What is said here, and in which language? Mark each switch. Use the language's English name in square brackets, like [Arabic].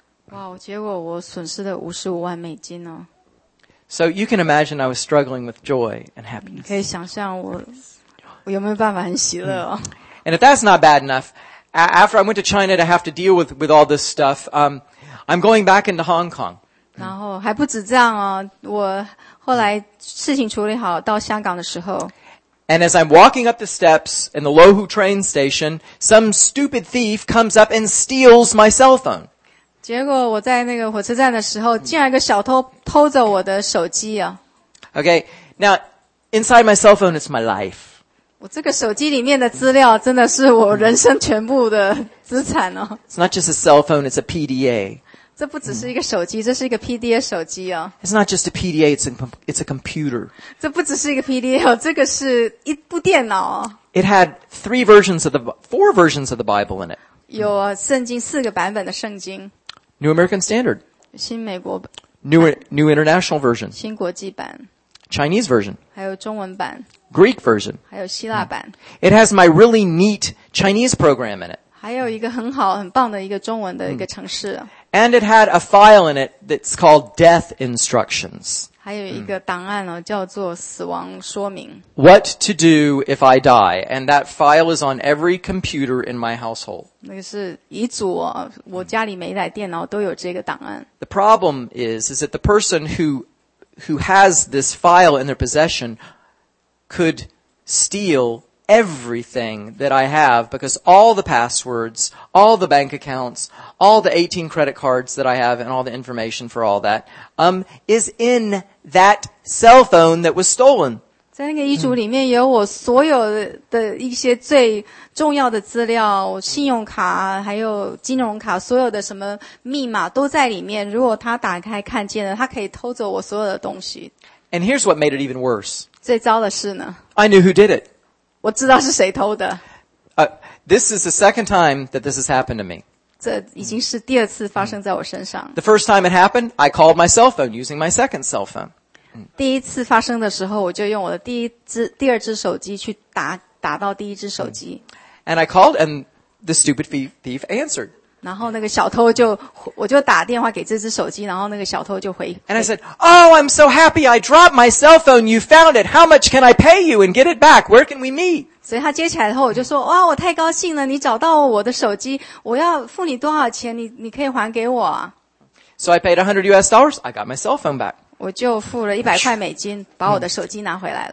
[Chinese] Wow, 结果我损失了$55,000哦。 [English] So you can imagine I was struggling with joy and happiness. [Chinese] 可以想象我有没有办法很喜乐哦。 [English] And if that's not bad enough, after I went to China to have to deal with all this stuff, I'm going back into Hong Kong. [Chinese] 然后还不止这样哦，我后来事情处理好到香港的时候。 [English] And as I'm walking up the steps in the Lo Hu train station, some stupid thief comes up and steals my cell phone. [Chinese] 结果我在那个火车站的时候，竟然一个小偷偷走我的手机啊。 [English] Okay, now, inside my cell phone is my life. [Chinese] 我这个手机里面的资料真的是我人生全部的资产哦。 [English] It's not just a cell phone, it's a PDA. [Chinese] 这不只是一个手机，这是一个 PDA 手机哦。 [English] It's not just a PDA, it's a computer. [Chinese] 这不只是一个 PDA 哦，这个是一部电脑哦。 [English] It had four versions of the Bible in it. [Chinese] 有圣经四个版本的圣经。 [English] New American Standard. [Chinese] 新美国版。 [English] New International Version. [Chinese] 新国际版。 [English] Chinese Version. [Chinese] 还有中文版。 [English] Greek Version. [Chinese] 还有希腊版。 [English] It has my really neat Chinese program in it. [Chinese] 还有一个很好很棒的一个中文的一个程式。 [English] And it had a file in it that's called death instructions. [Chinese] 还有一个档案哦，叫做死亡说明。 [English] What to do if I die? And that file is on every computer in my household. [Chinese] 那个是遗嘱哦，我家里每一台电脑都有这个档案。 [English] The problem is that the person who has this file in their possession could steal everything that I have because all the passwords, all the bank accounts, all the 18 credit cards that I have and all the information for all that, is in that cell phone that was stolen. [Chinese] 在那个遗嘱里面有我所有的一些最重要的资料，信用卡还有金融卡，所有的什么密码都在里面。如果他打开看见了，他可以偷走我所有的东西。 [English] And here's what made it even worse. [Chinese] 最糟的是呢。 [English] I knew who did it. [Chinese] 我知道是谁偷的。 [English] This is the second time that this has happened to me. [Chinese] 这已经是第二次发生在我身上。 [English] The first time it happened, I called my cell phone using my second cell phone. [Chinese] 第一次发生的时候，我就用我的第二只手机去打到第一只手机。 [English] And I called, and the stupid thief answered. [Chinese] 然后那个小偷就，我就打电话给这只手机，然后那个小偷就回。 [English] And I said, Oh, I'm so happy I dropped my cell phone. You found it. How much can I pay you and get it back? Where can we meet? [Chinese] 所以他接起来以后，我就说，哇，我太高兴了，你找到我的手机，我要付你多少钱？你可以还给我。 [English] So I paid $100 US. I got my cell phone back. [Chinese] 我就付了100块美金把我的手机拿回来了。